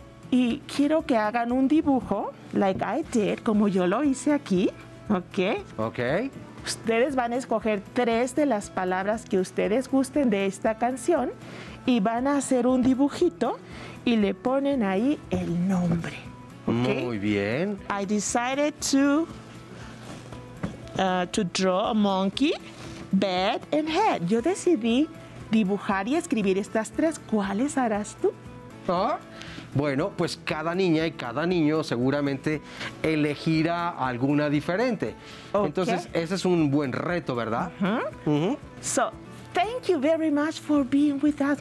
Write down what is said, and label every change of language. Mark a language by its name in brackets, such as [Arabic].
[Spanish] Y quiero que hagan un dibujo, [English] like I did, [Spanish] como yo lo hice aquí. [English] Okay. Okay. [Spanish] Ustedes van a escoger tres de las palabras que ustedes gusten de esta canción y van a hacer un dibujito y le ponen ahí el nombre. Okay? Muy bien. [English] I decided to draw a monkey, bed and head. [Spanish] Yo decidí dibujar y escribir estas tres. ¿Cuáles harás tú? Bueno, pues cada niña y cada niño seguramente elegirá alguna diferente. Okay. Entonces, ese es un buen reto, ¿verdad? Uh-huh. Uh-huh. [English] So, thank you very much for being with us.